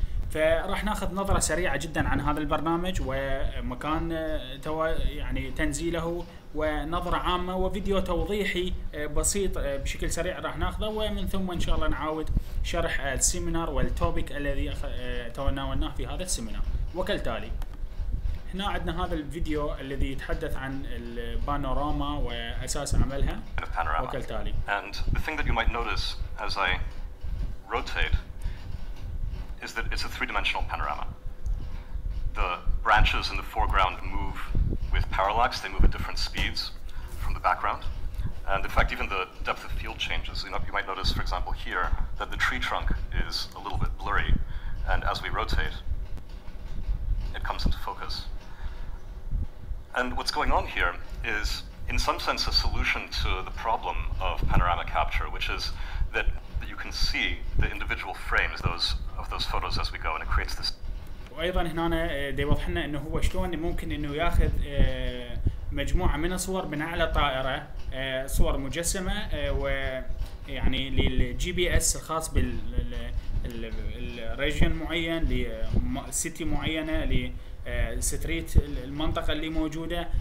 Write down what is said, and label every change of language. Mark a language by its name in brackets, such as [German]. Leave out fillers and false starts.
[Arabic] فراح ناخذ نظره سريعه جدا عن هذا البرنامج ومكان تنزيله، ونظره عامه وفيديو توضيحي بسيط بشكل سريع راح ناخذه، ومن ثم ان شاء الله نعاود شرح السيمينار والتوبيك الذي تناولناه في هذا السيمينار. وكالتالي هنا عندنا هذا الفيديو الذي يتحدث عن البانوراما واساس عملها. وكالتالي [English] and the thing that you might notice as I rotate is that it's a three-dimensional panorama. The branches in the foreground move with parallax. They move at different speeds from the background. And in fact, even the depth of field changes. You might notice, for example, here, that the tree trunk is a little bit blurry. And as we rotate, it comes into focus. And what's going on here is, in some sense, a solution to the problem of panorama capture, which is that you can see the individual frames, those of those photos as we go, and it creates this. [Arabic] وايضا هنا يوضح لنا انه هو شلون ممكن انه ياخذ مجموعه من الصور من اعلى طائره، صور مجسمه، ويعني للجي بي اس الخاص بالريجن معين، لسيتي معينه، لستريت المنطقه اللي موجوده.